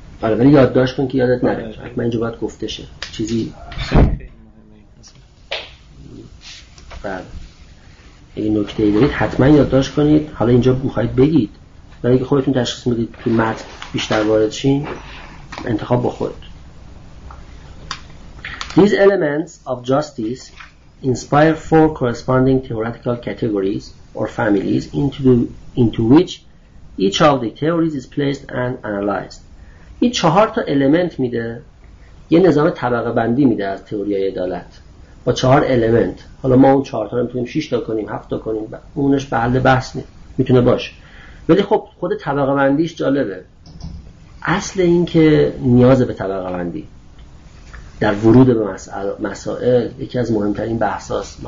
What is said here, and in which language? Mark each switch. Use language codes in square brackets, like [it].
[fa] آره ولی یاد داشت کن که یادت نره، حتما اینجا باید گفته شه چیزی بله. اگه نکته ای دارید حتما یاد داشت کنید، حالا اینجا بخواید بگید و اگه خودتون تشخیص میدید تو متن بیشتر وارد شین انتخاب با خود. [en] These elements of justice inspire four corresponding theoretical categories or families into which each of the theories is placed and analyzed. [fa] این چهار تا المنت میده، یه نظام طبقه بندی میده از تئوری عدالت با چهار المنت. حالا ما اون چهار تا رو میتونیم 6 تا کنیم، 7 تا کنیم، اونش به حل بحث نیست، میتونه باشه، ولی خب خود طبقه بندیش جالبه. اصل این که نیاز به طبقه بندی در ورود به مسائل یکی از مهمترین بحثاست.